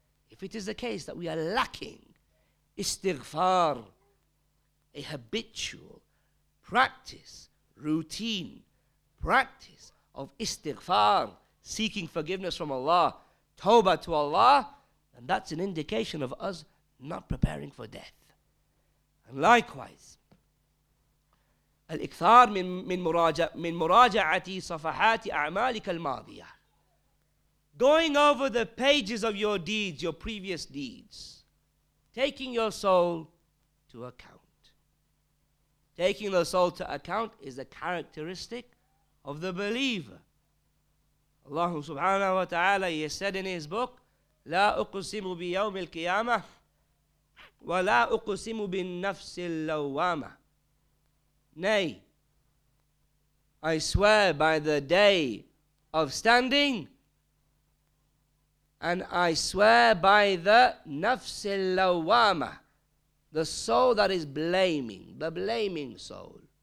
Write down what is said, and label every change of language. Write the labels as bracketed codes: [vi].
[en] If it is the case that we are lacking istighfar, a habitual practice, routine practice of istighfar, seeking forgiveness from Allah, tawbah to Allah, then that's an indication of us not preparing for death. And likewise, [ar] الإكثار من مراجعة صفحات أعمالك الماضية. [en] Going over the pages of your deeds, your previous deeds. Taking your soul to account. Taking the soul to account is a characteristic of the believer. Allah subhanahu wa ta'ala, he said in his book, [ar] لا أقسم بيوم القيامة ولا أقسم بالنفس اللوامة. [en] Nay, I swear by the day of standing, and I swear by the nafs al-lawwama, the soul that is blaming, the blaming soul.